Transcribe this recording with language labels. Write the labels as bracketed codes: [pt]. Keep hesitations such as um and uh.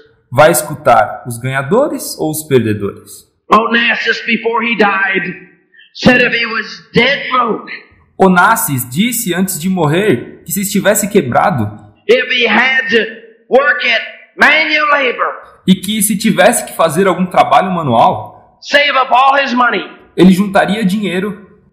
[pt] Vai escutar os ganhadores ou os perdedores? [en] Onassis, before he died, said if he was dead broke. [pt] Onassis disse antes de morrer que se estivesse quebrado. [en] If he had to work at manual labor. [pt] E que se tivesse que fazer algum trabalho manual [en] save up all his money. [pt] Ele juntaria dinheiro.